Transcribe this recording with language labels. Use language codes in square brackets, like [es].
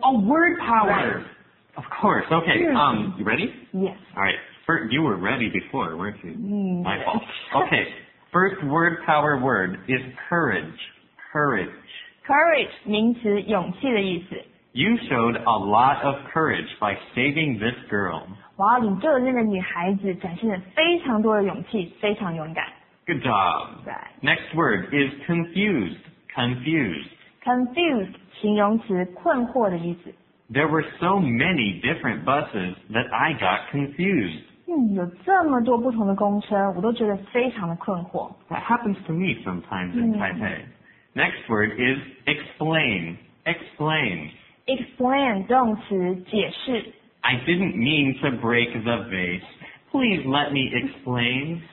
[en] Word power. Right. Of course. Okay. You ready? Yes. All right. You were ready before, weren't you? My fault. Okay. First word power word is courage. Courage. [zh] Courage, 名词勇气的意思。 [en] You showed a lot of courage by saving this girl. [zh] 哇，你救的那个女孩子展现了非常多的勇气，非常勇敢。 [en] Good job. Right. Next word is confused. Confused. [zh] Confused, 形容词困惑的意思。 [en] There were so many different buses that I got confused. [zh] 有这么多不同的公车，我都觉得非常的困惑。 [en] That happens to me sometimes in Taipei. Next word is explain. Explain. [zh] Explain, 动词解释。 [en] I didn't mean to break the vase. Please let me explain.